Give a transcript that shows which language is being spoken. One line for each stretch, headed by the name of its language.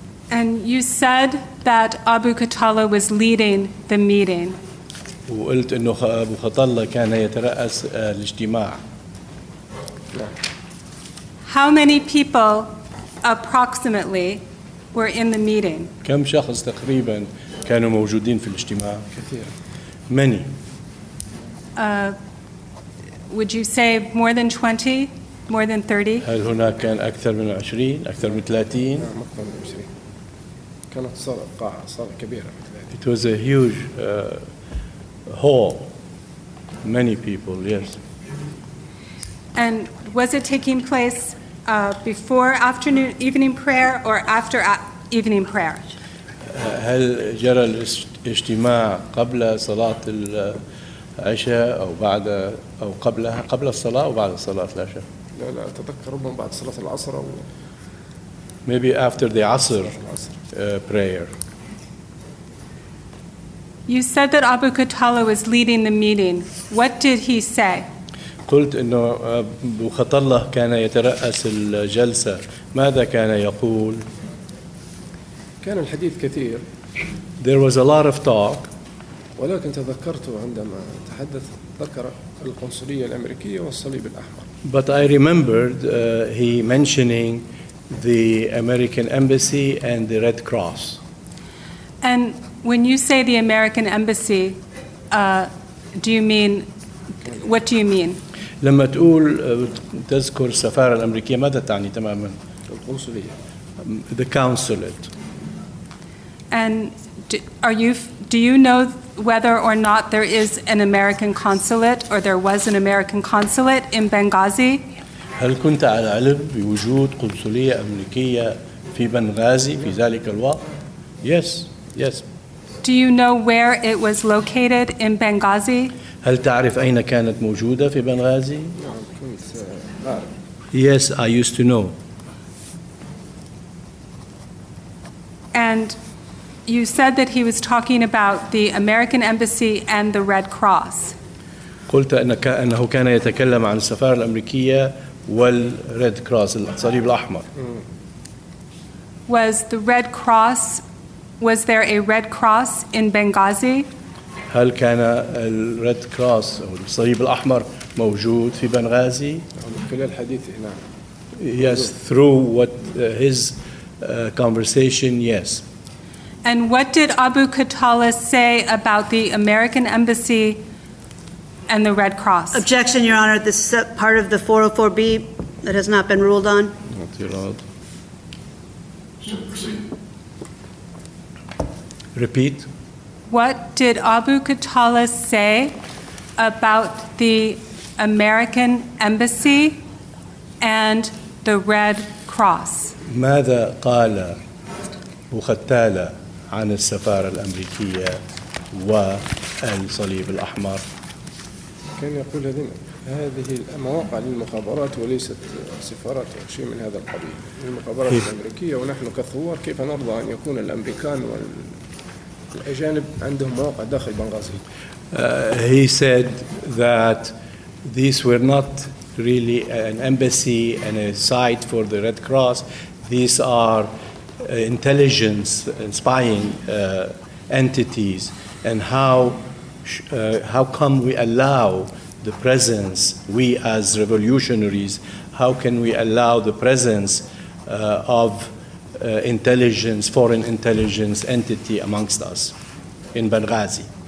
English: And you said that Abu Katala was leading the meeting.
Arabic: وقلت إنه أبو خطلة كان يترأس الاجتماع.
English: How many people approximately were in the meeting?
Arabic: كم شخص تقريبا كانوا موجودين في الاجتماع؟ كثير.
English: Many. Would you say more than 20, more than 30?
Arabic: هل هناك كان أكثر من 20, أكثر من 30? نعم أكثر من 20. كانت صالة قاعة صالة كبيرة.
English: It was a huge hall. Many people, yes. And was it taking place before afternoon evening prayer or after evening prayer?
Arabic: هل جرى الاجتماع قبل صلاة العشاء أو بعد أو قبلها قبل الصلاة أو بعد صلاة العشاء؟ لا لا أتذكر ربما بعد صلاة العصر أو
English: maybe after the عصر prayer. You said that Abu Katala was leading the meeting. What did he say?
Arabic: قلت إنه أبو خطلة كان يترأس الجلسة. ماذا كان يقول؟ كان الحديث كثير.
English: There was a lot of talk.
Arabic: ولكن تذكرت عندما تحدث ذكر القنصلية الأمريكية والصليب الأحمر.
English: But I remembered he mentioning the American Embassy and the Red Cross. And when you say the American Embassy, do you mean what do you mean?
Arabic: لما تقول تذكر السفارة الأمريكية ماذا تعني تماما؟ القنصلية.
English: The consulate. And do you know whether or not there is an American consulate or there was an American consulate in Benghazi?
Arabic: هل كنت على علم بوجود قنصلية أمريكية في بنغازي في ذلك الوقت؟
English: Yes, yes. Do you know where it was located in Benghazi?
Arabic: هل تعرف أين كانت موجودة في بنغازي؟
English: Yes, I used to know. And you said that he was talking about the American Embassy and the Red Cross.
Arabic: قلت أنه كان يتكلم عن السفارة الأمريكية والريد كروس الصليب الأحمر.
English: Was the Red Cross, was there a Red Cross in Benghazi?
Arabic: هل كان الريد كروس أو الصليب الأحمر موجود في بنغازي؟ خلال الحديث هنا.
English: Yes, through what his conversation, yes. And what did Abu Qatala say about the American Embassy and the Red Cross? Objection, Your Honor. This is part of the 404B that has not been ruled on. Not your Honor. Repeat. What did Abu Qatala say about the American Embassy and the Red Cross?
Arabic: ماذا قال أبو قتالة عن السفارة الأمريكية والصليب الأحمر؟ كان يقول هذه المواقع للمخابرات وليست سفارات أو شيء من هذا القبيل. المخابرات الأمريكية ونحن كثوار كيف نرضى أن يكون الأمريكان والأجانب عندهم مواقع داخل بنغازي؟
English: He said that these were not really an embassy and a site for the Red Cross. These are intelligence and spying entities. And how come we allow the presence, we as revolutionaries, how can we allow the presence of intelligence, foreign intelligence entity amongst us in Benghazi?